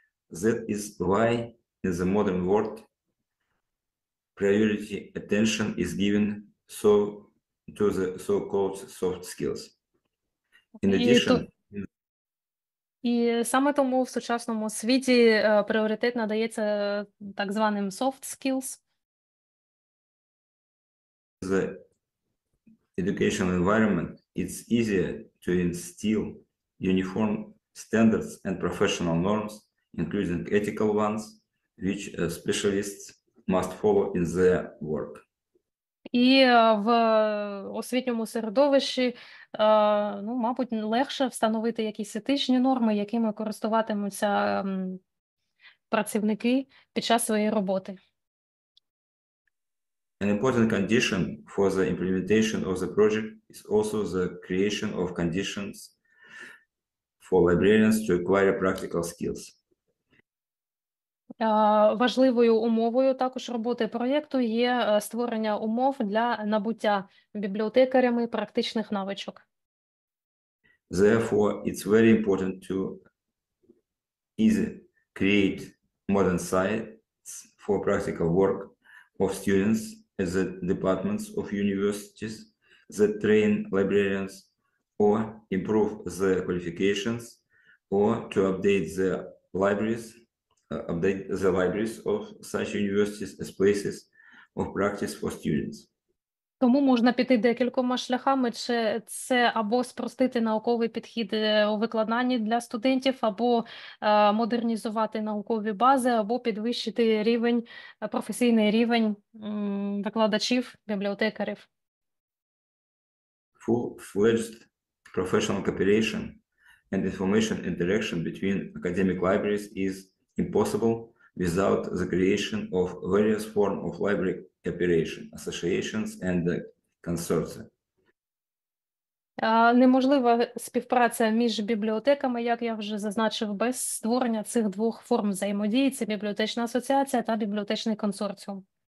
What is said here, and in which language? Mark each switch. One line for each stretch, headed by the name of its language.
English: That is why in the modern world priority attention is given so to the so-called soft skills. In addition,
Ukrainian: і саме тому в сучасному світі пріоритет надається так званим soft skills.
English: The educational environment, it's easier to instill uniform standards and professional norms, including ethical ones, which specialists must follow in their work.
Ukrainian: І в освітньому середовищі, ну, мабуть, легше встановити якісь етичні норми, якими користуватимуться працівники під час своєї роботи.
English: An important condition for the implementation of the project is also the creation of conditions for librarians to acquire practical skills.
Ukrainian: Важливою умовою також роботи проєкту є створення умов для набуття бібліотекарями практичних навичок.
English: Therefore, it's very important to create modern sites for practical work of students at the departments of universities that train librarians or improve their qualifications or to update their libraries. Update the libraries of such universities as places of practice for students.
Ukrainian: Тому можна піти декількома шляхами, чи це або спростити науковий підхід у викладанні для студентів, або модернізувати наукові бази, або підвищити рівень, професійний рівень викладачів, бібліотекарів.
English: Full-fledged professional cooperation and information interaction between academic libraries is impossible without the creation of various forms of library cooperation, associations and consortia.
Ukrainian: Неможлива співпраця між бібліотеками, як я вже зазначив, без створення цих двох форм взаємодії – це бібліотечна асоціація та бібліотечний консорціум.